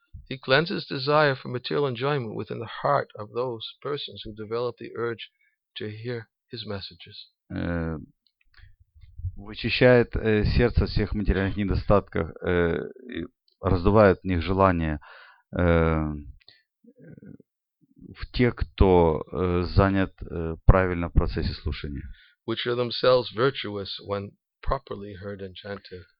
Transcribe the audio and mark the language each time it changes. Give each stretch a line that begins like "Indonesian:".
English: He cleanses desire for material enjoyment within the heart of those persons who develop the urge to hear his messages.
Russian: вычищает сердце от всех материальных недостатков, раздувает в них желание в тех, кто занят правильно в процессе слушания.
English: Which are themselves virtuous when properly heard and chanted.